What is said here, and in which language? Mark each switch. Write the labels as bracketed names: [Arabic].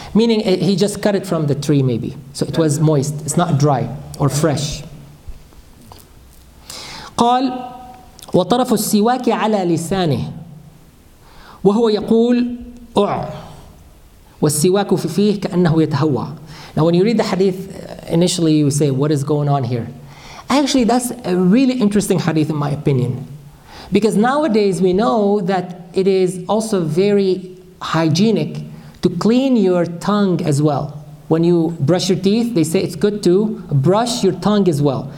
[English] Meaning he just cut it from the tree maybe. So it was moist, it's not dry or fresh. [Arabic] قال وطرف السواك على لسانه وهو يقول اع والسواك فيه كأنه يتهوى. [English] Now when you read the hadith, initially you say, what is going on here? Actually, that's a really interesting hadith in my opinion. Because nowadays we know that it is also very hygienic to clean your tongue as well. When you brush your teeth, they say it's good to brush your tongue as well.